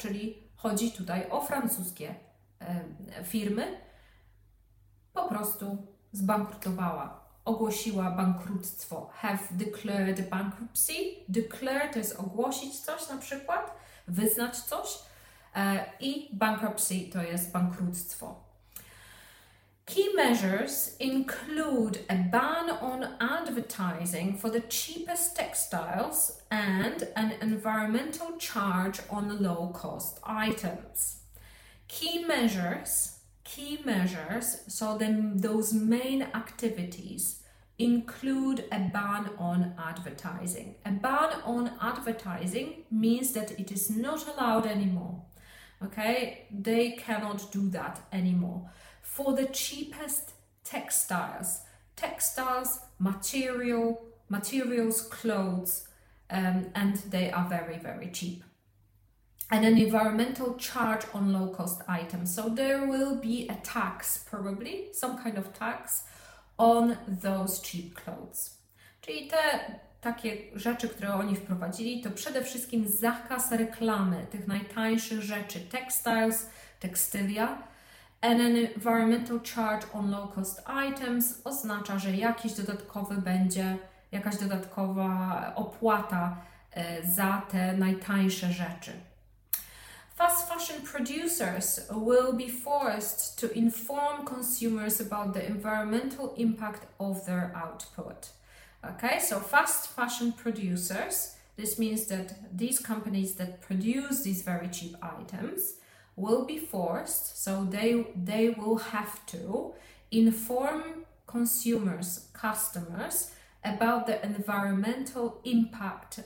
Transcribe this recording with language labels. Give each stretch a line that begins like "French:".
Polish: Czyli chodzi tutaj o francuskie firmy, po prostu zbankrutowała. Ogłosiła bankructwo,
English: have declared bankruptcy.
Polish: Declare to jest ogłosić coś na przykład, wyznać coś. I bankruptcy to jest bankructwo.
English: Key measures include a ban on advertising for the cheapest textiles and an environmental charge on low-cost items. Key measures, so then those main activities include a ban on advertising. A ban on advertising means that it is not allowed anymore. Okay, they cannot do that anymore. For the cheapest textiles, materials, clothes, and they are very, very cheap. And an environmental charge on low-cost items. So there will be a tax, probably, some kind of tax on those cheap clothes.
Polish: Czyli te takie rzeczy, które oni wprowadzili, to przede wszystkim zakaz reklamy tych najtańszych rzeczy, textiles, tekstylia.
English: And an environmental charge on low-cost items
Polish: oznacza, że jakiś dodatkowy będzie, jakaś dodatkowa opłata za te najtańsze rzeczy.
English: Fast fashion producers will be forced to inform consumers about the environmental impact of their output. Okay, so fast fashion producers, this means that these companies that produce these very cheap items will be forced, so they will have to inform customers about the environmental impact.